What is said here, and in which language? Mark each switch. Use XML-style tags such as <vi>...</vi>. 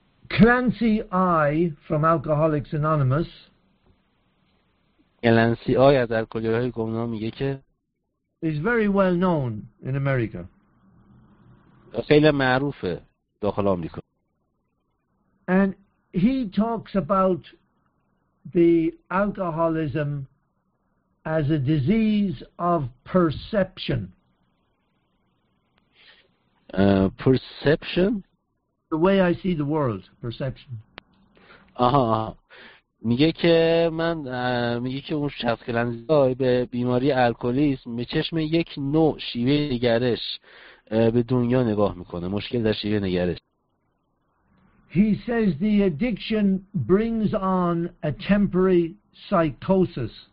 <en>Clancy I from Alcoholics Anonymous.</en> <fa>Clancy I از الکلیهای گمنام میگه که</fa> <en>is very well known in America.</en> <fa>خیلی معروفه داخل آمریکا.</fa> <en>And he talks about the alcoholism as a disease of perception. Perception? The way I see the world, perception.</en> <fa>میگه که من میگه که اون شخص کلنزی به بیماری الکلیسم به چشم یک نوع شیوه نگرش به دنیا نگاه میکنه. مشکل در شیوه نگرش.</fa> <en>He says the addiction brings on a temporary psychosis.</en>